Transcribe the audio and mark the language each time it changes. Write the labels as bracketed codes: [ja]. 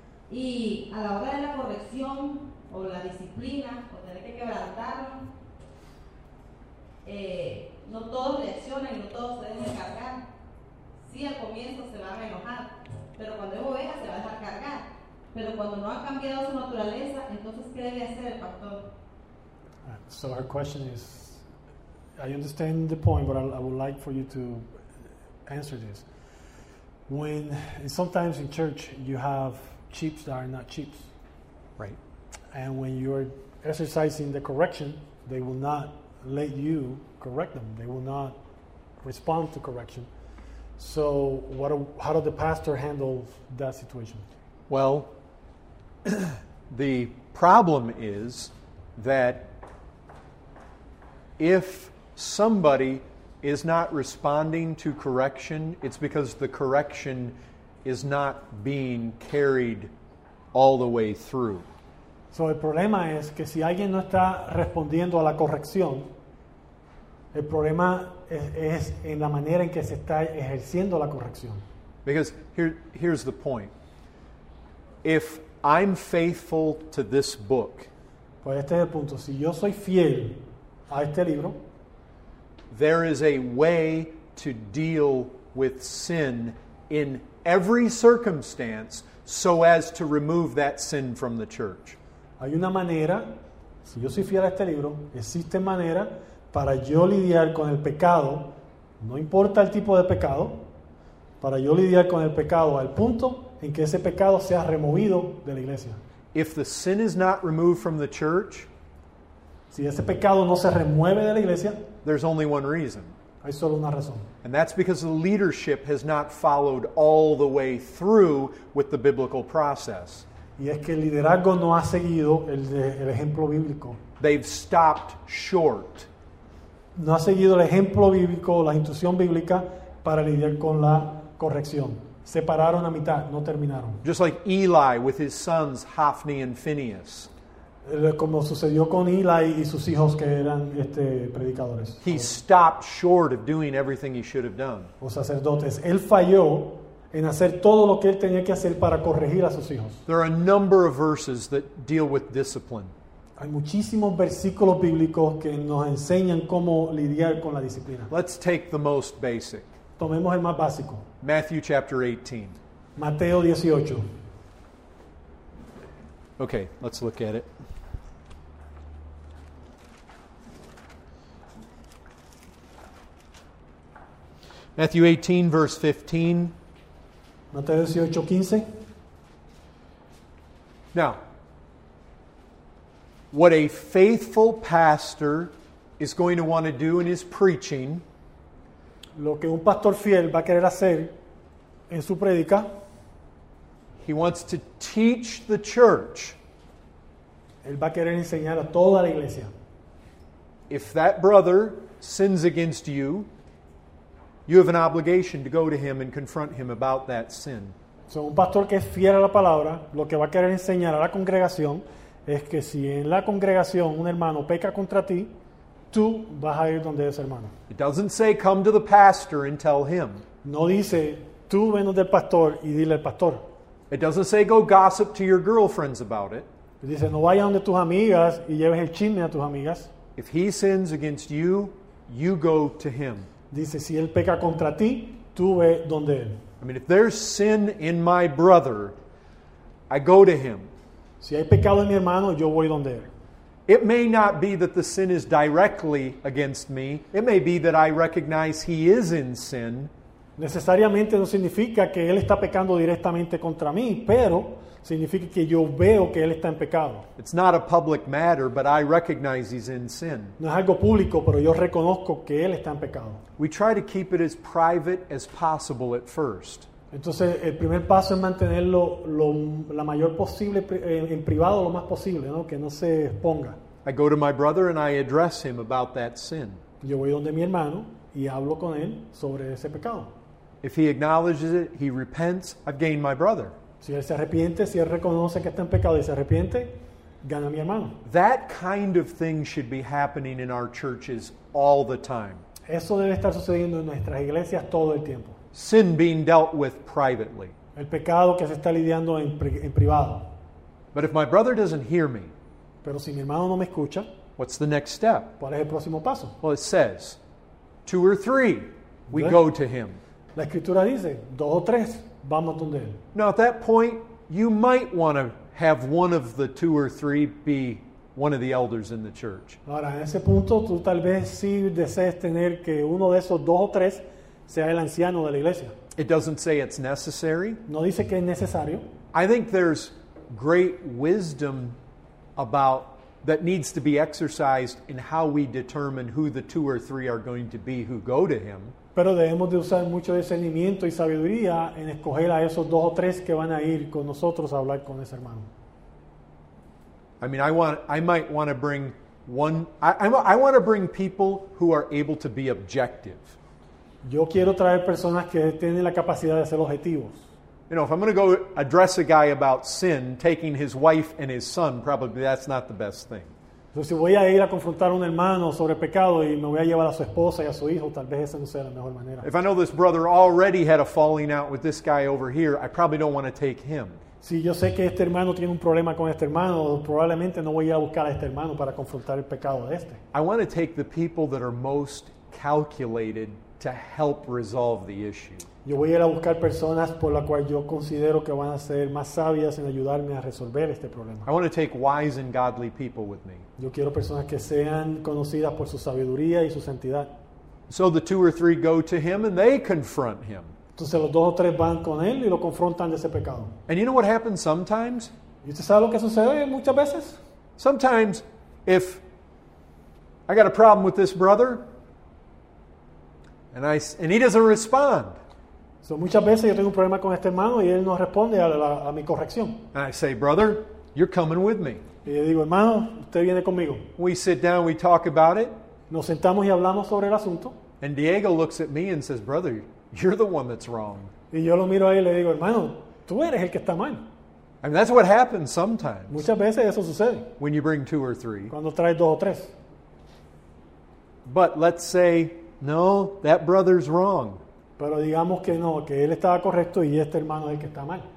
[es] Y a la hora de la corrección o la disciplina, o tener que quebrantarlo, No todos reaccionan, no todos se dejan cargar. Sí, al comienzo se van a enojar, pero cuando es oveja se va a dejar cargar. Pero cuando no ha cambiado su naturaleza, entonces ¿qué debe hacer el pastor? [en] So our question is, I understand the point, but I would like for you to answer this. When, and sometimes in church, you have sheep that are not sheep. Right. And when you're exercising the correction, they will not let you correct them. They will not respond to correction. So how do the pastor handle that situation? Well, the problem is that if somebody is not responding to correction, it's because the correction is not being carried all the way through. [es] So el problema es que si alguien no está respondiendo a la corrección, el problema es en la manera en que se está ejerciendo la corrección. [en] Because here's the point. If I'm faithful to this book, [es] pues este es el punto. Si yo soy fiel a este libro, [en] there is a way to deal with sin in every circumstance so as to remove that sin from the church. [es] Hay una manera, si yo soy fiel a este libro, existe manera para yo lidiar con el pecado, no importa el tipo de pecado, para yo lidiar con el pecado al punto en que ese pecado sea removido de la iglesia. [en] If the sin is not removed from the church, [es] si ese pecado no se remueve de la iglesia, [en] there's only one reason. [es] Hay solo una razón. [en] And that's because the leadership has not followed all the way through with the biblical process. [es] Y es que el liderazgo no ha seguido el ejemplo bíblico. [en] They've stopped short. [es] No ha seguido el ejemplo bíblico, la instrucción bíblica para lidiar con la corrección. Se pararon a mitad, no terminaron. [en] Just like Eli with his sons Hophni and Phinehas. [es] Como sucedió con Eli y sus hijos que eran predicadores. [en] He stopped short of doing everything he should have done. [es] Los sacerdotes, él falló en hacer todo lo que él tenía que hacer para corregir a sus hijos. [en] There are a number of verses that deal with discipline. [es] Hay muchísimos versículos bíblicos que nos enseñan cómo lidiar con la disciplina. [en] Let's take the most basic. [es] Tomemos el más básico. [en] Matthew chapter 18. [es] Mateo 18. [en] Okay, let's look at it. Matthew 18, verse 15. [es] Mateo 18, 15. [en] Now, what a faithful pastor is going to want to do in his preaching, [es] lo que un pastor fiel va a querer hacer en su predica, [en] he wants to teach the church. [es] Él va a querer enseñar a toda la iglesia. [en] If that brother sins against you, you have an obligation to go to him and confront him about that sin. [es] So, un pastor que es fiel a la palabra, lo que va a querer enseñar a la congregación es que si en la congregación un hermano peca contra ti, tú vas a ir donde ese hermano. [en] It doesn't say come to the pastor and tell him. [es] No dice tú ven donde el pastor y dile al pastor. [en] It doesn't say go gossip to your girlfriends about it. [es] Dice no vayas donde tus amigas y lleves el chisme a tus amigas. [en] If he sins against you, you go to him. [es] Dice, si él peca contra ti, tú ve donde él. [en] I mean, if there's sin in my brother, I go to him. [es] Si hay pecado en mi hermano, yo voy donde él. [en] It may not be that the sin is directly against me. It may be that I recognize he is in sin. [es] Necesariamente no significa que él está pecando directamente contra mí, pero significa que yo veo que él está en pecado. [en] It's not a public matter, but I recognize he's in sin. [es] No es algo público, pero yo reconozco que él está en pecado. [en] We try to keep it as private as possible at first. [es] Entonces, el primer paso es mantenerlo la mayor posible en privado, lo más posible, ¿no? Que no se exponga. [en] I go to my brother and I address him about that sin. [es] Yo voy donde mi hermano y hablo con él sobre ese pecado. [en] If he acknowledges it, he repents, I've gained my brother. [es] Si él se arrepiente, si él reconoce que está en pecado y se arrepiente, gana a mi hermano. [en] That kind of thing should be happening in our churches all the time. [es] Eso debe estar sucediendo en nuestras iglesias todo el tiempo. [en] Sin being dealt with privately. [es] El pecado que se está lidiando en privado. [en] But if my brother doesn't hear me, [es] pero si mi hermano no me escucha, [en] what's the next step? [es] ¿Cuál es el próximo paso? [en] Well, it says, Two or three, we go to him. [es] La escritura dice, dos o tres, vamos donde él. [en] Now at that point, you might want to have one of the two or three be one of the elders in the church. [es] Ahora, en ese punto, tú tal vez sí desees tener que uno de esos dos o tres sea el anciano de la iglesia. [en] It doesn't say it's necessary. [es] No dice que es necesario. [en] I think there's great wisdom about that needs to be exercised in how we determine who the two or three are going to be who go to him. [es] Pero debemos de usar mucho discernimiento y sabiduría en escoger a esos dos o tres que van a ir con nosotros a hablar con ese hermano. [en] I mean, I want to bring people who are able to be objective. [es] Yo quiero traer personas que tienen la capacidad de ser objetivos. [en] You know, if I'm going to go address a guy about sin, taking his wife and his son, probably that's not the best thing. [es] Entonces, si voy a ir a confrontar a un hermano sobre pecado y me voy a llevar a su esposa y a su hijo, tal vez esa no sea la mejor manera. [en] If I know this brother already had a falling out with this guy over here, I probably don't want to take him. [es] Si yo sé que este hermano tiene un problema con este hermano, probablemente no voy a buscar a este hermano para confrontar el pecado de este. [en] I want to take the people that are most calculated to help resolve the issue. [es] Yo voy a ir a buscar personas por las cuales yo considero que van a ser más sabias en ayudarme a resolver este problema. [en] I want to take wise and godly people with me. [es] Yo quiero personas que sean conocidas por su sabiduría y su santidad. [en] So the two or three go to him and they confront him. [es] Entonces los dos o tres van con él y lo confrontan de ese pecado. [en] And you know what happens sometimes? [es] ¿Y usted sabe lo que sucede muchas veces? [en] Sometimes, if I got a problem with this brother, and he doesn't respond. [es] So muchas veces yo tengo un problema con este hermano y él no responde a mi corrección. [en] And I say, brother, you're coming with me. [es] Y yo digo, hermano, usted viene conmigo. [en] We sit down, we talk about it. [es] Nos sentamos y hablamos sobre el asunto. [en] And Diego looks at me and says, brother, you're the one that's wrong. [es] Y yo lo miro ahí y le digo, hermano, tú eres el que está mal. [en] I mean, that's what happens sometimes. [es] Muchas veces eso sucede. [en] When you bring two or three. [es] Cuando traes dos o tres. [en] But let's say, no, that brother's wrong. [es] Pero digamos que no, que él estaba correcto y este hermano es el que está mal.